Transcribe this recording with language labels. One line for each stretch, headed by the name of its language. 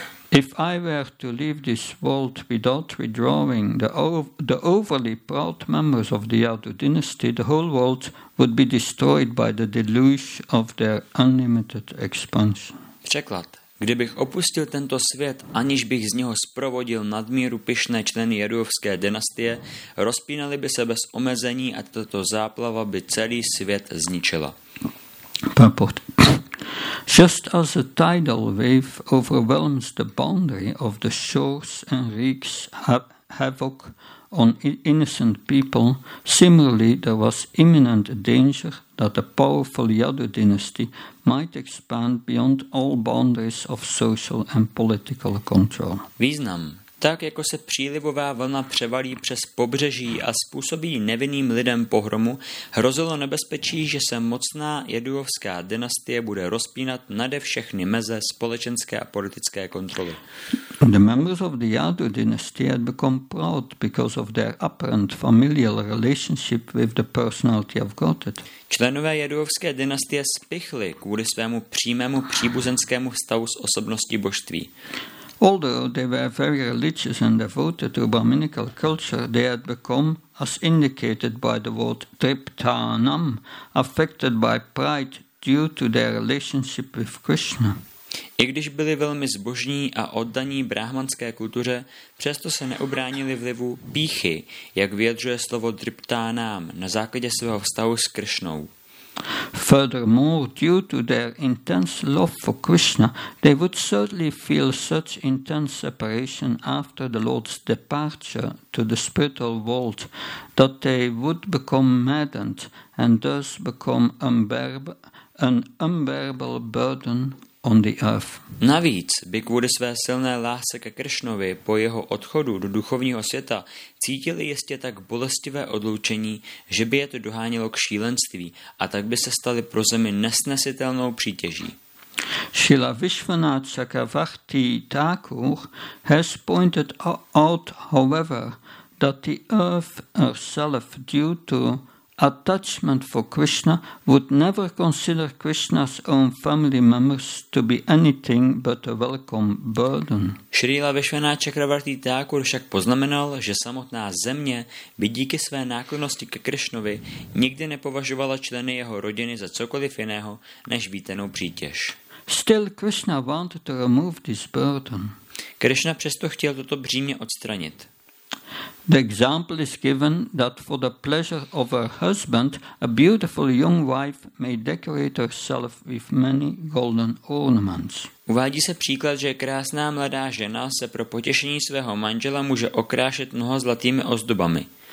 English: If I were to leave this world without withdrawing the overly proud members of the Yadu dynasty, the whole world would be destroyed by the deluge of their unlimited expansion.
Czech: Překlad. Kdybych opustil tento svět, aniž bych z něho zprovodil nadmíru pyšné členy jadovské dynastie, rozpínaly by se bez omezení a tato záplava by celý svět zničila.
English: Purport. Just as a tidal wave overwhelms the boundary of the shores and wreaks havoc on innocent people, similarly there was imminent danger that a powerful Yadu dynasty might expand beyond all boundaries of social and political control.
Czech: Význam. Tak jako se přílivová vlna převalí přes pobřeží a způsobí nevinným lidem pohromu, hrozilo nebezpečí, že se mocná jaduovská dynastie bude rozpínat nade všechny meze společenské a politické kontroly.
English: The members of the Yadu dynasty had become proud because of their apparent familial relationship with the personality of Godhead.
Czech: Členové jaduovské dynastie spichli kvůli svému přímému příbuzenskému vztahu s osobností božství.
English: Although they were very religious and devoted to Brahminical culture, they had become, as indicated by the word triptanam, affected by pride due to their relationship with Krishna.
Czech: I když byli velmi zbožní a oddaní brahmanské kultuře, přesto se neobránili vlivu pýchy, jak vyjadřuje slovo driptanam na základě svého vztahu s Krishnou.
English: Furthermore, due to their intense love for Krishna, they would certainly feel such intense separation after the Lord's departure to the spiritual world that they would become maddened and thus become an unbearable burden on the earth.
Czech: Navíc by kvůli své silné lásce ke Kršnovi po jeho odchodu do duchovního světa cítili jistě tak bolestivé odloučení, že by je to dohánělo k šílenství a tak by se stali pro zemi nesnesitelnou přítěží.
English: Srila Vishvanatha Chakravarti Thakur has pointed out, however, that the earth herself, due to attachment for Krishna, would never consider Krishna's own family members to be anything but a welcome burden.
Czech: Srila Vishvanatha Chakravarti Thakur však poznamenal, že samotná země by díky své náklonosti ke Krishnovi nikdy nepovažovala členy jeho rodiny za cokoliv jiného než vítanou přítěž.
English: Still, Krishna wanted to remove this burden.
Czech: Krishna přesto chtěl toto břímě odstranit.
English: The example is given that for the pleasure of her husband, a beautiful young wife may decorate herself with many golden ornaments.
Czech: Uvádí se příklad, že krásná mladá žena se pro potěšení svého manžela může okrášet mnoha zlatými ozdobami.